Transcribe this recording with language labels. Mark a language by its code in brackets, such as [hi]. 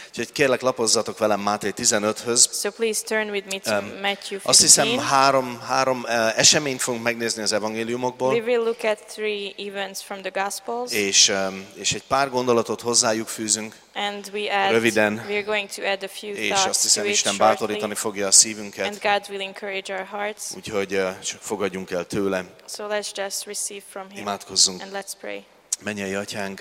[hu] Úgyhogy kérlek, lapozzatok velem Máté 15-höz. [en] So please turn with me to Matthew 15. [hu] Azt hiszem, három eseményt fogunk megnézni az evangéliumokból. [en] We will look at three events from the Gospels. [hu] És egy pár gondolatot hozzájuk fűzünk. [en] And we add, [hu] röviden, [en] we are going to add a few thoughts. [hu] És azt hiszem, Isten bátorítani fogja a szívünket. [en] And God will encourage our hearts. [hu] Úgyhogy csak fogadjunk el tőle. [en] So let's just receive from him. [hu] Imádkozzunk. [en] And let's pray. [hu] Mennyei Atyánk,